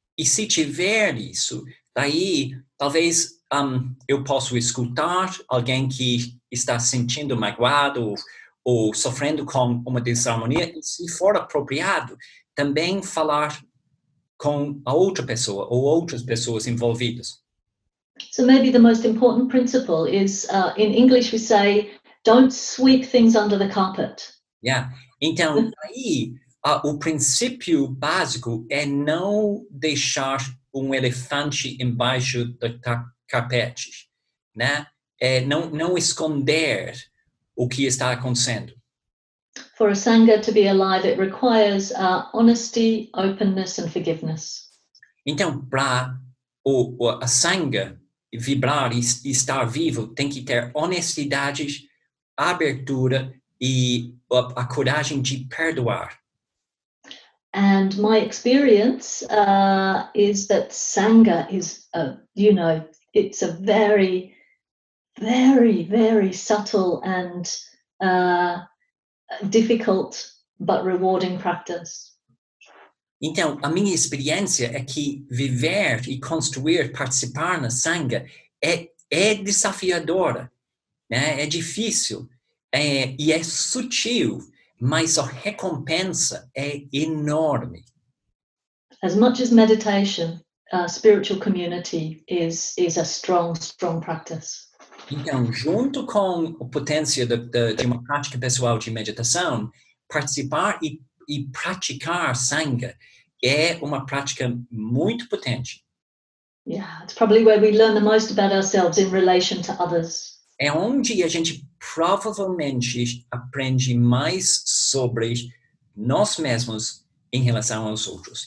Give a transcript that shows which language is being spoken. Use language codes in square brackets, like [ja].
[pt] E se tiver isso, daí talvez eu posso escutar alguém que está sentindo magoado ou sofrendo com uma desarmonia, e se for apropriado, também falar com a outra pessoa ou outras pessoas envolvidas. [en] So maybe the most important principle is, in English we say, don't sweep things under the carpet. Yeah. [pt] Então, aí, o princípio básico é não deixar elefante embaixo do carpete, né? É não esconder o que está acontecendo. [en] For a Sangha to be alive, it requires honesty, openness, and forgiveness. [pt] Então, para a Sangha vibrar e estar vivo, tem que ter honestidade, abertura e a coragem de perdoar. [en] And my experience is that Sangha is, it's a very, very, very subtle and... difficult, but rewarding practice. [pt] Então, a minha experiência é que viver e construir, participar na Sangha é desafiadora, né? É difícil, e é sutil, mas a recompensa é enorme. [en] As much as meditation, spiritual community is a strong, strong practice. [pt] Então, junto com a potência de uma prática pessoal de meditação, participar e praticar Sangha é uma prática muito potente. [en] Yeah, it's probably where we learn the most about ourselves in relation to others. [pt] É onde a gente provavelmente aprende mais sobre nós mesmos em relação aos outros.